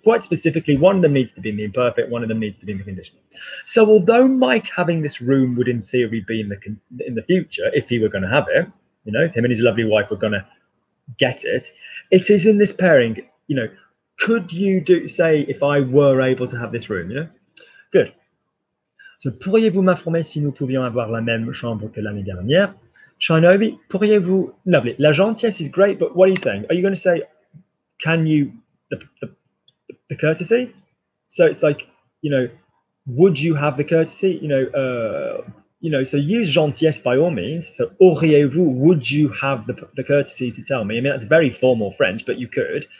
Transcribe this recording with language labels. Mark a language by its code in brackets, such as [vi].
[en] Quite specifically, one of them needs to be in the imperfect, one of them needs to be in the conditional. So although Mike having this room would in theory be in the future, if he were going to have it, you know, him and his lovely wife were going to get it, it is in this pairing, you know, could you do say if I were able to have this room, you know? Good. [fr] So, pourriez-vous m'informer si nous pouvions avoir la même chambre que l'année dernière? Shinobi, pourriez-vous... [en] Lovely. La gentillesse is great, but what are you saying? Are you going to say, can you... The courtesy? So it's like, you know, would you have the courtesy? You know, so use gentillesse by all means. So auriez-vous, would you have the courtesy to tell me? I mean, that's very formal French, but you could.